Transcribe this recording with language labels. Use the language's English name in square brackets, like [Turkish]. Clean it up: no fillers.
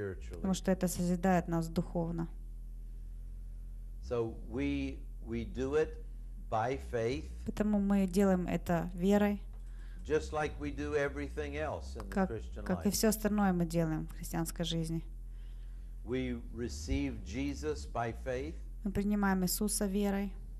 [Russian] Потому что это созидает нас духовно. [English] So we do it by faith. [Russian] Поэтому мы делаем это верой. [English] Just like we do everything else in the Christian life. [Russian] Как и все остальное мы делаем в христианской жизни. [English] We receive Jesus by faith. [Russian] Мы принимаем Иисуса верой.